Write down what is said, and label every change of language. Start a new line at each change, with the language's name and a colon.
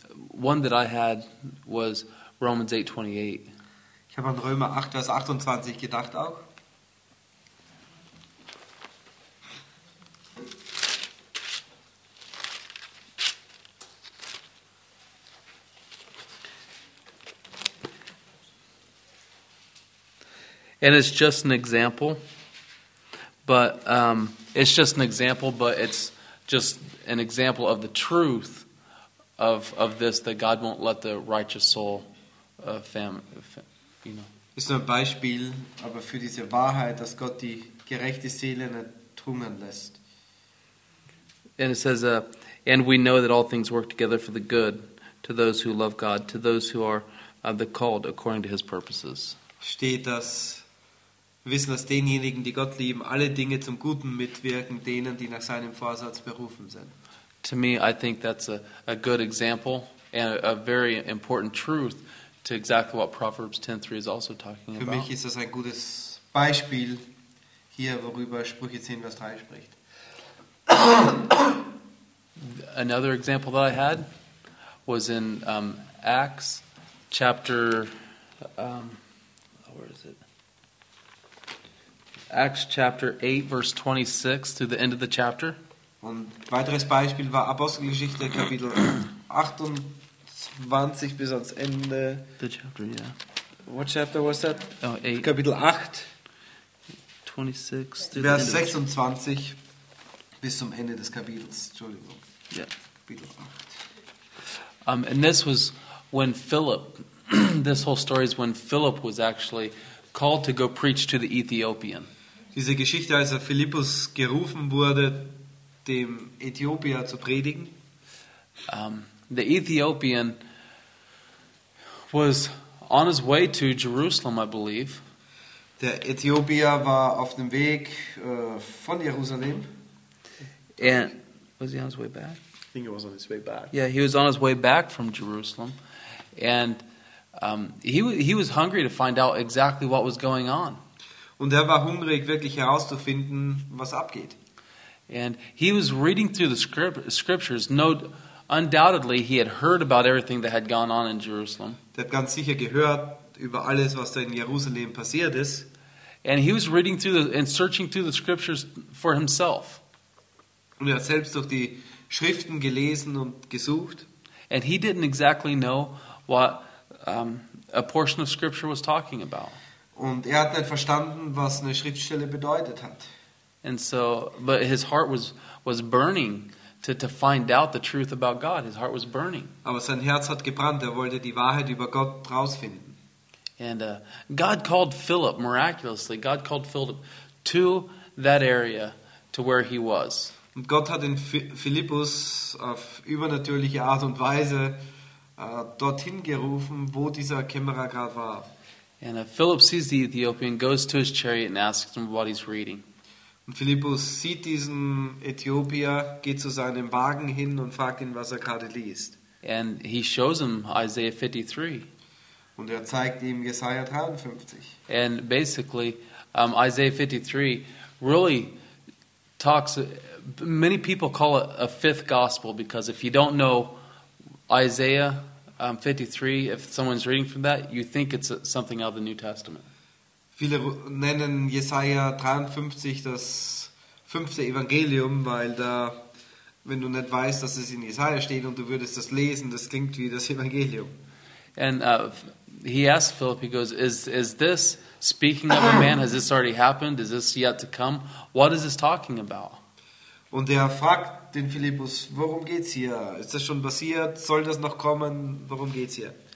English: One that I had was Romans 8:28.
German: Ich habe an Römer 8, Vers 28 gedacht auch.
English: And it's just an example. But it's just an example, but it's just an example of the truth of this, that God won't let the righteous soul you know.
German: Ist nur ein Beispiel, aber für diese Wahrheit, dass Gott die gerechte Seele nicht hungern lässt.
English: And it says, and we know that all things work together for the good to those who love God, to those who are the called according to his purposes.
German: Steht das? Wir wissen, dass denjenigen, die Gott lieben, alle Dinge zum Guten mitwirken, denen, die nach seinem Vorsatz berufen sind.
English: To me, I think that's a good example and a very important truth to exactly what Proverbs 10:3 is also talking about.
German: Für mich ist das ein gutes Beispiel hier, worüber Sprüche 10, Vers 3 spricht.
English: Another example that I had was in Acts chapter Where is it? Acts chapter 8, verse 26 to the end of the chapter.
German: Und weiteres Beispiel war Apostelgeschichte, Kapitel 28 bis ans Ende.
English: The chapter, yeah. What chapter was that? Oh, 8.
German: Kapitel 8. 26 to Vers 26 bis zum Ende des Kapitels. Entschuldigung.
English: Yeah.
German: Kapitel 8.
English: And this was when Philip, this whole story is when Philip was actually called to go preach to the Ethiopian.
German: Diese Geschichte, als er Philippus gerufen wurde, dem Äthiopier zu predigen.
English: The Ethiopian was on his way to Jerusalem, I believe.
German: Der Äthiopier war auf dem Weg von Jerusalem.
English: And was he on his way back? I think he was on his way back. Yeah, he was on his way back from Jerusalem, and he was hungry to find out exactly what was going on.
German: Und war hungrig, wirklich herauszufinden, was abgeht.
English: And he was reading through the scriptures. No, undoubtedly, he had heard about everything that had gone on in Jerusalem.
German: Der hat ganz sicher gehört über alles, was da in Jerusalem passiert ist.
English: And he was reading through the, and searching through the scriptures for himself.
German: Und hat selbst durch die Schriften gelesen und gesucht.
English: And he didn't exactly know what a portion of scripture was talking about.
German: Und hat nicht verstanden, was eine Schriftstelle bedeutet hat.
English: And so, but his heart was burning to find out the truth about God. His heart was burning.
German: Aber sein Herz hat gebrannt. Er wollte die Wahrheit über Gott rausfinden.
English: And God called Philip miraculously. God called Philip to that area to where he was.
German: Und Gott hat den Philippus auf übernatürliche Art und Weise dorthin gerufen, wo dieser Kämmerer gerade war.
English: And Philip sees the Ethiopian, goes to his chariot and asks him what he's reading.
German: Und Philippus sieht diesen Äthiopier, geht zu seinem Wagen hin und fragt ihn, was gerade liest.
English: And he shows him Isaiah 53.
German: Und zeigt ihm Jesaja 53.
English: And basically, Isaiah 53 really talks, many people call it a fifth gospel, because if you don't know Isaiah 53, if someone's reading from that, you think it's something out of the New Testament.
German: Viele nennen Jesaja 53 das fünfte Evangelium, weil da, wenn du nicht weißt, dass es in Jesaja steht und du würdest das lesen, das klingt wie das Evangelium.
English: And he asked Philip, he goes, is this speaking of a man? Has this already happened? Is this yet to come? What is this talking about?
German: Und fragt den Philippus, worum geht's hier? Ist das schon passiert? Soll das noch kommen? Worum geht's hier?